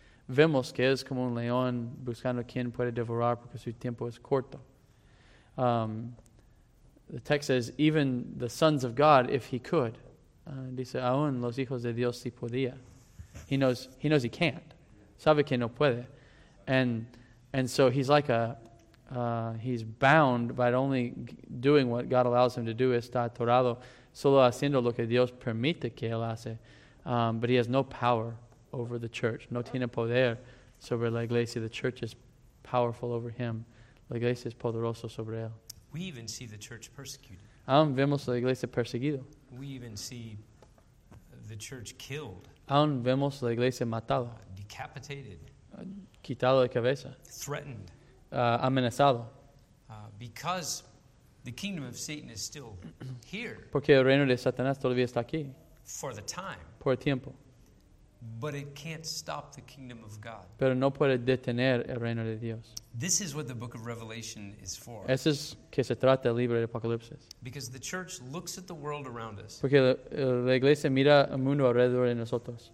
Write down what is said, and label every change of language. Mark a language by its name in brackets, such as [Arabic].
[Spanish] Vemos que es como un león buscando quien puede devorar porque su tiempo es corto. [English] The text says, even the sons of God, if he could. [Spanish] Dice, aún los hijos de Dios si podía. [English] He knows he can't. [Spanish] Sabe que no puede. [English] And so he's like he's bound by only doing what God allows him to do. [Spanish] Está atorado, solo haciendo lo que Dios permite que él hace. [English] But he has no power over the church. [Spanish] No tiene poder sobre la iglesia. [English] The church is powerful over him. [Spanish] La iglesia es poderosa sobre él. [English] We even see the church persecuted. [Spanish] Aún vemos la iglesia perseguida. [English] We even see the church killed. [Spanish] Aún vemos la iglesia matada. [English] Decapitated. [Spanish] Quitado de cabeza. [English] Threatened. [Spanish] Amenazado. [English] Because the kingdom of Satan is still here. [Spanish] Porque el reino de Satanás todavía está aquí. [English] For the time. [Spanish] Por el tiempo. [English] But it can't stop the kingdom of God. [Spanish] Pero no puede detener el reino de Dios. [English] This is what the book of Revelation is for. [Spanish] Eso es que se trata el libro de Apocalipsis. [English] Because the church looks at the world around us. [Spanish] Porque la iglesia mira el mundo alrededor de nosotros.